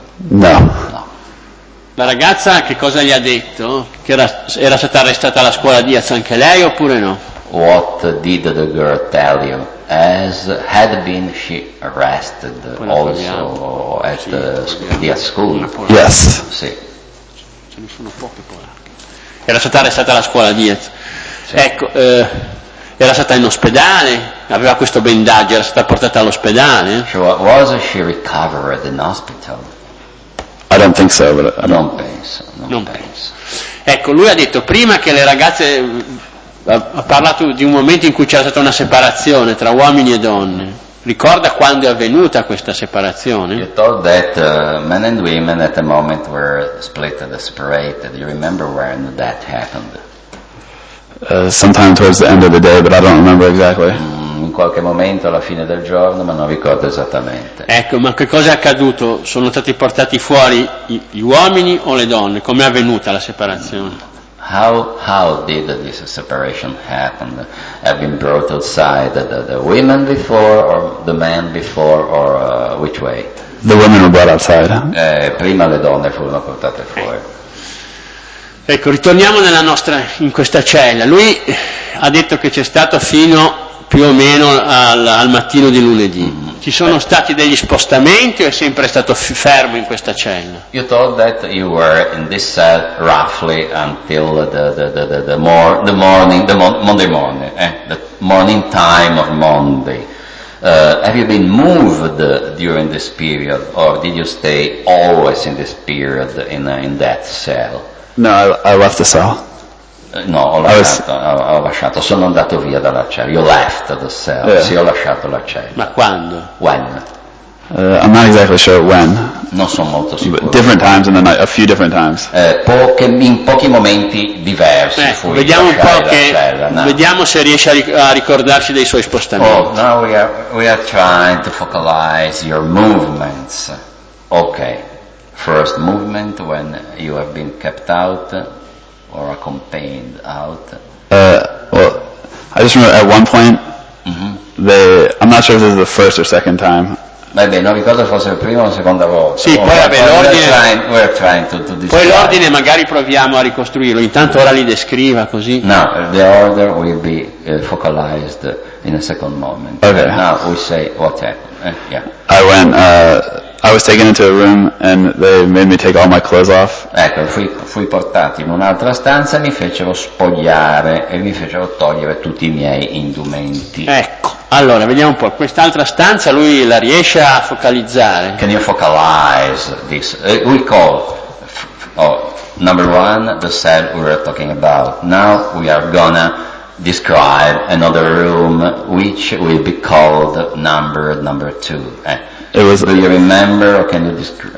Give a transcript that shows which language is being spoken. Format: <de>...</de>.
<en>No.</en> <it>No. La ragazza che cosa gli ha detto? Che era stata arrestata alla scuola Diaz anche lei oppure no?</it> <en>What did the girl tell you? As had been she arrested also at the Diaz school? Yes.</en> <it>Sì. Ne sono poche polacche. Era stata arrestata alla scuola Diaz. Sì. Ecco, era stata in ospedale, aveva questo bendaggio, era stata portata all'ospedale.</it> <en>So, was she recovered in hospital? I don't think so, but</en> <it>non penso. Ecco, lui ha detto prima che le ragazze ha parlato di un momento in cui c'era stata una separazione tra uomini e donne. Ricorda quando è avvenuta questa separazione?</it> <en>You thought that men and women at the moment were split and separated. You remember when that happened? Sometime towards the end of the day, but I don't remember exactly.</en> <it>In qualche momento alla fine del giorno, ma non ricordo esattamente. Ecco, ma che cosa è accaduto? Sono stati portati fuori gli uomini o le donne? Come è avvenuta la separazione?</it> <en>How did this separation happen? Have been brought outside the women before or the men before or which way? The women were brought outside.</en> <it>Prima le donne furono portate fuori. Ecco, ritorniamo nella nostra in questa cella. Lui ha detto che c'è stato fino più o meno al mattino di lunedì. Mm-hmm. Ci sono stati degli spostamenti o è sempre stato fermo in questa cella?</it> <en>You thought that you were in this cell roughly until the morning time of Monday. Have you been moved during this period or did you stay always in this period in that cell? No, I left the cell.</en> <it>No, ho lasciato, sono andato via dalla cella.</it> <en>You left the cell. Yeah.</en> <it>Sì, ho lasciato la cella. Ma quando?</it> <en>When? I'm not exactly sure when.</en> <it>Non sono molto sicuro.</it> <en>But different times in the night, a few different times.</en> <it>In pochi momenti diversi. Vediamo un po' vediamo se riesce a ricordarsi dei suoi spostamenti.</it> <en>Oh, now we are trying to focalize your movements. Okay. First movement when you have been kept out. Or accompanied out. I just remember at one point. Mm-hmm. I'm not sure if this is the first or second time.</en> <it>Vabbè, non ricordo se fosse la prima o la seconda volta. Sì, poi vabbè, l'ordine.</it> <en>We're trying to</en> <it>poi l'ordine magari proviamo a ricostruirlo. Intanto ora li descriva così.</it> <en>No, the order will be focalized in a second moment. Okay. Now we say what happened. Yeah. I went. I was taken into a room and they made me take all my clothes off.</en> <it>Ecco, fui portato in un'altra stanza, mi fecero spogliare e mi fecero togliere tutti i miei indumenti. Ecco. Allora, vediamo un po', quest'altra stanza lui la riesce a focalizzare?</it> <en>Can you focalize this? We call, number one, the cell we were talking about. Now we are gonna describe another room which will be called number two. Do you remember or can you describe?</en>